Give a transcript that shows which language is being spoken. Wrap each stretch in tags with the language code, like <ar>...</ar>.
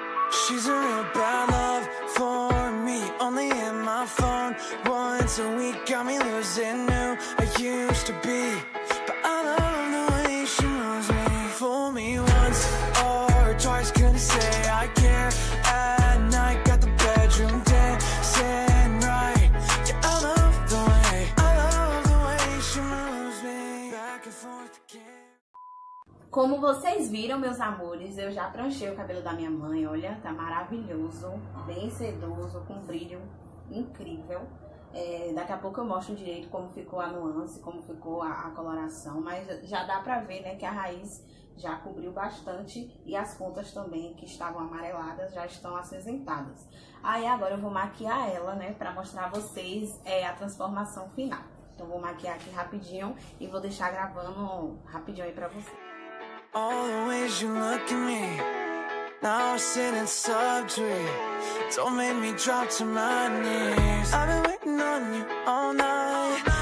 <en>She's a real bad love for me, only in my phone once a week, got me losing who I used to be, but I love the way she moves me. Fool me once or twice, couldn't say I care. At night, got the bedroom dancing right. Yeah, I love the way, I love the way she moves me. Back and forth again.</en> <pt>Como vocês viram, meus amores, eu já pranchei o cabelo da minha mãe, olha, tá maravilhoso, bem sedoso, com brilho incrível. É, daqui a pouco eu mostro direito como ficou a nuance, como ficou a coloração, mas já dá pra ver, né, que a raiz já cobriu bastante e as pontas também, que estavam amareladas, já estão acinzentadas. Aí agora eu vou maquiar ela, né, pra mostrar a vocês a transformação final. Então vou maquiar aqui rapidinho e vou deixar gravando rapidinho aí pra vocês.</pt> <en>All the ways you look at me, now I'm sitting subtree. Don't make me drop to my knees. I've been waiting on you all night.</en>